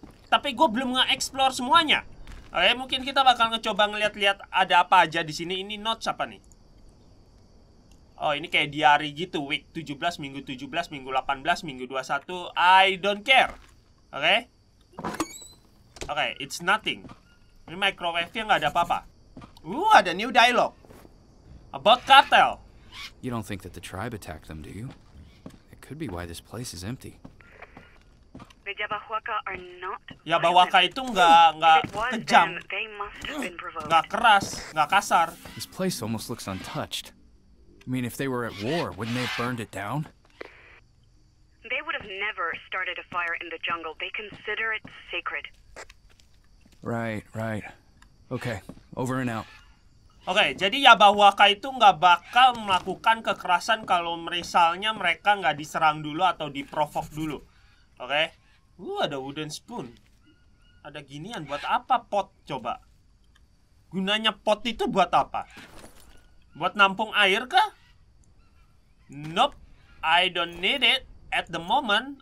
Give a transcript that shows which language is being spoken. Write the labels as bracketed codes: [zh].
[id] Tapi gue belum nge-explore semuanya. Oke, mungkin kita bakal ngecoba ngeliat-liat ada apa aja di sini. Ini notes apa nih? Oh, ini kayak diary gitu. Week 17, minggu 17, minggu 18, minggu 21. [en] I don't care. [id] Oke? [en] Okay, it's nothing. [id] Ini microwave-nya nggak ada apa-apa. [en] Ada new dialogue. About cartel. You don't think that the tribe attacked them, do you? It could be why this place is empty. The Jabahuaka are not. [id] Ya, Bawaka itu nggak kejam. Nggak keras, nggak kasar. [en] This place almost looks untouched. I mean, if they were at war, wouldn't they have burned it down? They would have never started a fire in the jungle. They consider it sacred. Right, right. Okay, over and out. [id] Okay, jadi Yabawaka itu nggak bakal melakukan kekerasan kalau misalnya mereka nggak diserang dulu atau diprovok dulu. Okay? Ada wooden spoon. Ada ginian. Buat apa pot coba? Gunanya pot itu buat apa? Buat nampung air kah? [en] Nope, I don't need it at the moment.